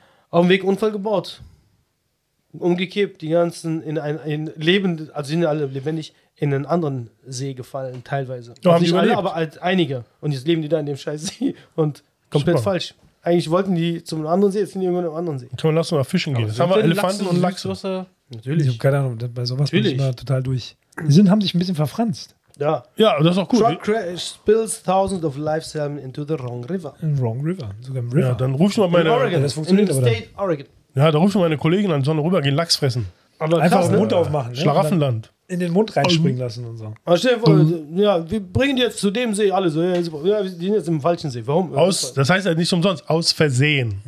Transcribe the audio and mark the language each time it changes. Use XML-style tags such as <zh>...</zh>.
<de>Auf dem Weg Unfall gebaut. Umgekippt, die ganzen sind alle lebendig in einen anderen See gefallen, teilweise. Doch, haben nicht die alle, aber als einige. Und jetzt leben die da in dem scheiß See und komplett super. Falsch. Eigentlich wollten die zum anderen See, jetzt sind die irgendwo im anderen See. Können wir lassen mal fischen gehen. Jetzt haben wir Elefanten und Lachse. Natürlich. Ich habe keine Ahnung, bei sowas natürlich. Bin ich mal total durch. Die haben sich ein bisschen verfranst. Ja. Ja, das ist auch gut.</de> <en>Truck crash spills thousands of live salmon into the wrong river. In wrong river,</en> <de>sogar im</de> <en>river.</en> <de>Ja, dann rufst du mal meine... In Oregon, das funktioniert aber in State Oregon. Ja, da rufst du meine Kollegen an, sollen rüber gehen, Lachs fressen. Aber einfach krass, den Mund aufmachen. Ne? Schlaraffenland. In den Mund reinspringen lassen und so. Aber stell dir vor, ja, wir bringen die jetzt zu dem See alle so. Ja, wir sind jetzt im falschen See. Warum? Das heißt ja nicht umsonst, aus Versehen.</de>